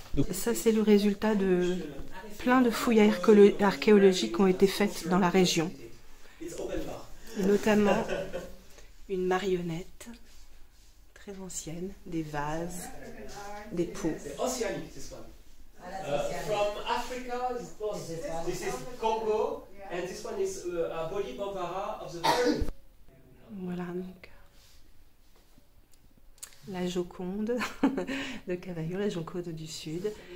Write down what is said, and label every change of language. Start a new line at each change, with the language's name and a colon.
French: Donc... Ça, c'est le résultat de plein de fouilles archéologiques qui ont été faites dans la région. Et notamment une marionnette très ancienne, des vases, des pots. C'est Océanique, c'est ça.
English: From Africa, this is Congo, and this one is a Boli Bambara of the world.
French: Voilà donc la Joconde de Cavaillon, la Joconde du Sud.